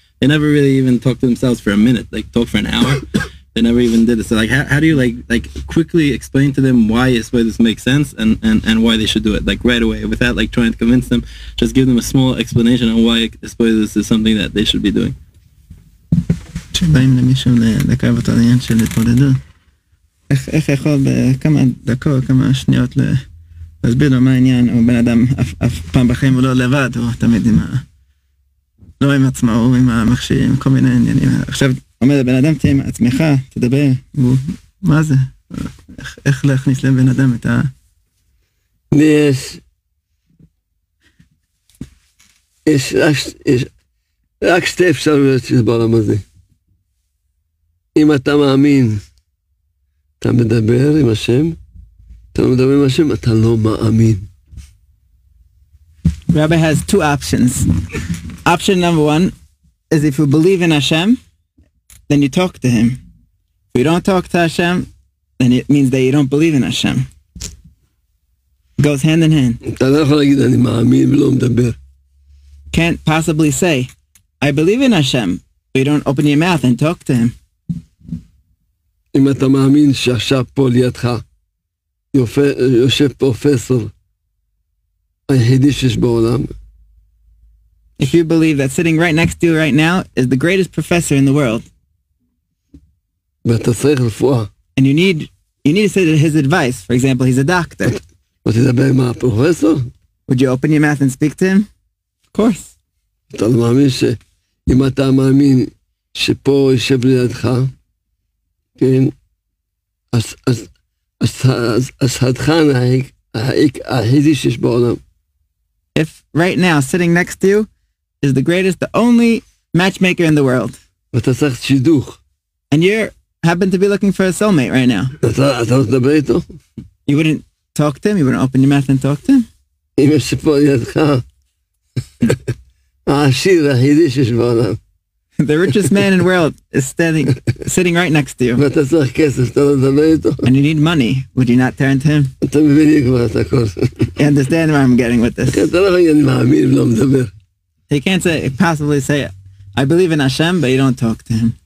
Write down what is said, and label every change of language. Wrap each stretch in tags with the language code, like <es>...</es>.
<en>They never really even talk to themselves for a minute, like talk for an hour. They never even did it. So like how do you like quickly explain to them why Espoidus makes sense and why they should do it, like right away, without like trying to convince them, just give them a small explanation on why Espoidus is something that they should be doing.</en> <he>שבאים למישהו לקרב אותו עניין של התמודדות איך יכול בכמה דקות, כמה שניות להסביר לו מה העניין הוא בן אדם אף פעם בחיים הוא לא לבד הוא תמיד עם לא עם עצמו, הוא עם המכשיר עם כל מיני עניינים עכשיו אומר לבן אדם תהיה עם עצמך, תדבר מה זה? איך להכניס לבן אדם את ה... יש רק שתי אפשרויות של בעולם הזה אם אתה מאמין, אתה מדבר עם השם, אתה לא מדבר עם השם, אתה לא מאמין.</he> <en>Rabbi has two options. Option number one is if you believe in Hashem, then you talk to him. If you don't talk to Hashem, then it means that you don't believe in Hashem. It goes hand in hand.</en> <he>אתה לא יכול להגיד, אני מאמין ולא מדבר.</he> <en>Can't possibly say, I believe in Hashem, but you don't open your mouth and talk to him.</en> <he>אם אתה מאמין שעכשיו פה לידך יושב פרופסור היחידי שיש בעולם</he> <en>If you believe that sitting right next to you right now is the greatest professor in the world</en> <he>ואתה צריך רפואה</he> <en>And you need to say his advice for example he's a doctor</en> <he>ואתה תדבר עם הפרופסור</he> <en>Would you open your mouth and speak to him? Of course</en> <he>אתה לא מאמין שאם אתה מאמין שפה יושב לידך כן, אז הדחן היחידי שיש בעולם.</he> <en>If right now, sitting next to you, is the greatest, the only matchmaker in the world.</en> <he>ואתה צריך שידוך.</he> <en>And you happen to be looking for a soulmate right now.</en> <he>אתה לא תדבר איתו?</he> <en>You wouldn't talk to him? You wouldn't open your mouth and talk to him?</en> <he>אם יש פה לידך, העשיר היחידי שיש בעולם.</he> <en>The richest man in the world is standing, sitting right next to you. And you need money. Would you not turn to him? You understand where I'm getting with this. He can't say, possibly say, I believe in Hashem, but you don't talk to him.</en>